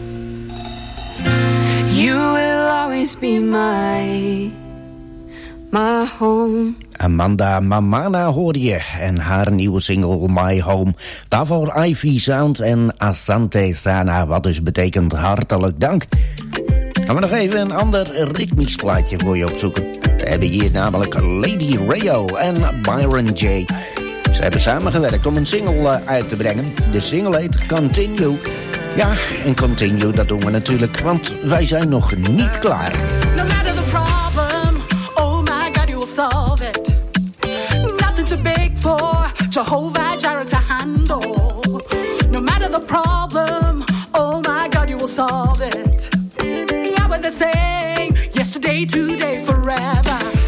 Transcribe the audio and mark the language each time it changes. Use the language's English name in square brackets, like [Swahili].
[English] Go. You will always be my home. [Dutch] Amanda Mamana hoorde je en haar nieuwe single My Home. Daarvoor Ivy Sound en Asante Sana, wat dus betekent hartelijk dank. Gaan we nog even een ander ritmisch plaatje voor je opzoeken. We hebben hier namelijk Lady Rayo en Byron J. Ze hebben samengewerkt om een single uit te brengen. De single heet Continue. Ja, en Continue, dat doen we natuurlijk, want wij zijn nog niet klaar. [English] No matter the problem, oh my God, you will solve it. Nothing too big for Jehovah Jireh to handle. No matter the problem, oh my God, you will solve it. Yeah, what they're saying, yesterday, today, forever.